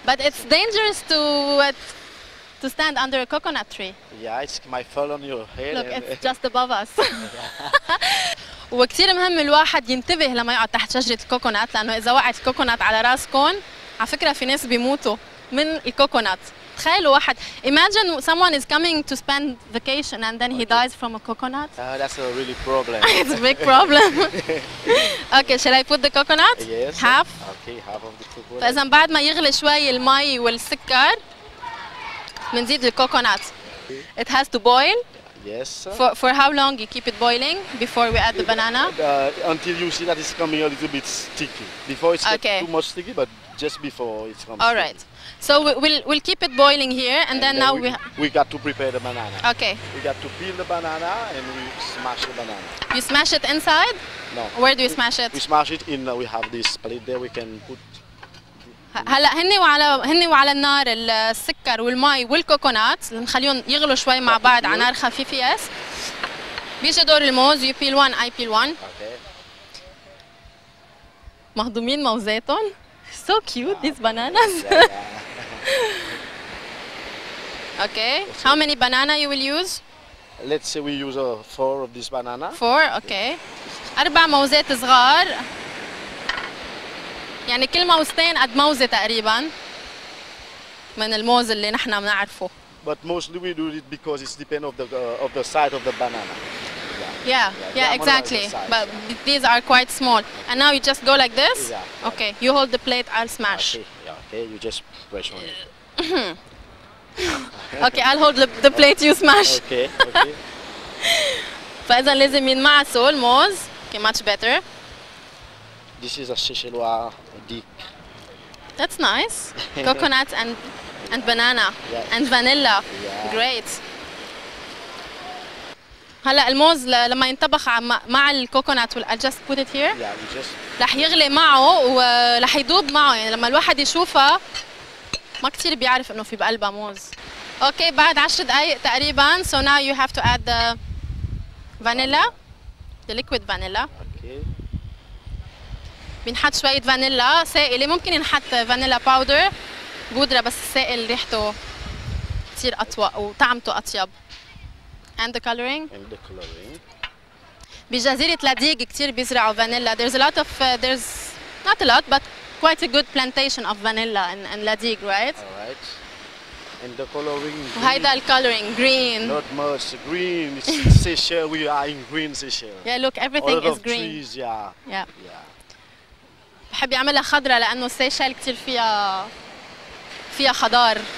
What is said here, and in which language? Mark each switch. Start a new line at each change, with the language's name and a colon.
English: But it's dangerous to stand under a coconut tree. Yeah, it might fall on your head. Look, it's just above us.
Arabic: وكثير مهم الواحد ينتبه لما يقعد تحت شجرة الكوكونات، لأنه إذا وقعت الكوكونات على راسكم، على فكرة في ناس بيموتوا من الكوكونات. تخيلوا واحد،
English: imagine someone is coming to spend vacation and then he dies from a coconut. That's a really problem. It's a big problem. Okay, shall I put the coconut? Yes. Half? Okay, half of the coconut.
Arabic: فإذا بعد ما يغلي شوي المي والسكر، بنزيد الكوكونات.
English: It has to boil. Yes. For how long you keep it boiling before we add the banana? Until you see that it's coming a little bit sticky. Before it's too much sticky, but just before it's coming. All right. So we'll keep it boiling here, and then now we got to prepare the banana. Okay. We got to peel the banana and we smash the banana. You smash it inside? No. Where do you smash it? We smash it in. We have this plate there. We can put.
Arabic: هلا هني وعلى النار السكر والماي والكوكونات، نخليهم يغلوا شوي مع بعض على نار خفيفة. يس. بيجي دور الموز.
English: You peel one, I peel one.
Arabic: مهضومين موزاتهم.
English: So cute these bananas. Okay. How many banana you will use? Let's say we use four of these banana. Four. Okay.
Arabic: أربع موزات صغار. يعني كل موزتين قد موزة تقريبا من الموز اللي نحن بنعرفه.
English: But mostly we do it because it depends of the size of the banana. Yeah, exactly. The size, but yeah. These are quite small. And now you just go like this. Yeah. Okay. You hold the plate. I'll smash. Okay. Yeah. Okay. You just press on it. Okay. I'll hold the plate. You smash. Okay. Okay.
Arabic: فإذا لازم ينمعصوا الموز.
English: Okay. Much better. This is a Seychellois dick. That's nice. Coconut and banana. Yes. And vanilla. Yeah. Great.
Arabic: هلا الموز لما ينطبخ مع الكوكونات والـ
English: I just put it here.
Arabic: رح يغلي معه ورح يذوب معه، يعني لما الواحد يشوفه ما كثير بيعرف انه في بقلبه موز. اوكي بعد 10 دقائق تقريبا.
English: So now you have to add the vanilla. The liquid vanilla.
Arabic: بنحط شوية فانيلا سائلة، ممكن نحط فانيلا باودر بودرة بس السائل ريحته كثير أطوأ وطعمته أطيب.
English: And the coloring. And the coloring.
Arabic: بجزيرة لاديق كثير بيزرعوا فانيلا.
English: There's a lot of there's not a lot but quite a good plantation of vanilla in لاديق, right? Alright. And the coloring.
Arabic: هيدا الكولورينج green.
English: Not much green. It's Seychelles. We are in green Seychelles. Yeah, look, everything All is green. All of trees, yeah.
Arabic: Yeah. بحب يعملها خضرة لأنه سيشيل كتير فيها خضار.